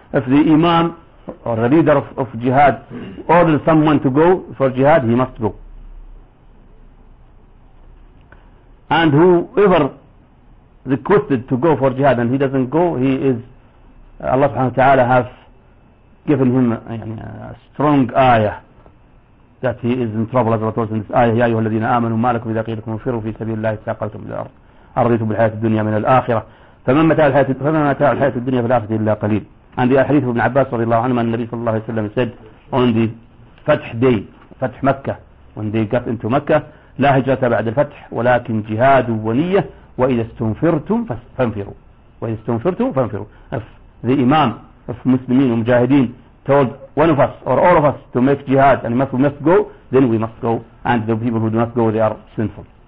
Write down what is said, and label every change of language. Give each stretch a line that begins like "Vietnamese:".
English: If the imam or the leader of jihad orders someone to go for jihad, he must go. And whoever requested to go for jihad and he doesn't go, Allah subhanahu wa ta'ala has given him a strong ayah that he is in trouble. As Allah told us in this ayah,
Arabic: يَا أَيُّهَا الَّذِينَ آمَنُوا مَا لَكُمْ إِذَا قِيلَ لَكُمْ انْفِرُوا فِي سَبِيلِ اللَّهِ اثَّاقَلْتُمْ إِلَى الْأَرْضِ أَرَضِيتُمْ بِالْحَيَاةِ الدُّنْيَا مِنَ الْآخِرَةِ فَمَا مَتَاعُ الْحَيَاةِ الدُّنْيَا فِي الْآخِرَةِ إِلَّا قَلِيلٌ.
English: And the hadith of Ibn Abbas رضي الله عنهما, النبي صلى الله عليه وسلم said on the Fath day, Fath Makkah, when they got into Makkah,
Arabic: لا هجرة بعد الفتح ولكن جهاد ونية وإذا استنفرتم فانفروا. وإذا استنفرتم فانفروا.
English: If the Imam of Muslimin, Mujahideen, told one of us or all of us to make jihad and must go, then we must go, and the people who do not go, they are sinful.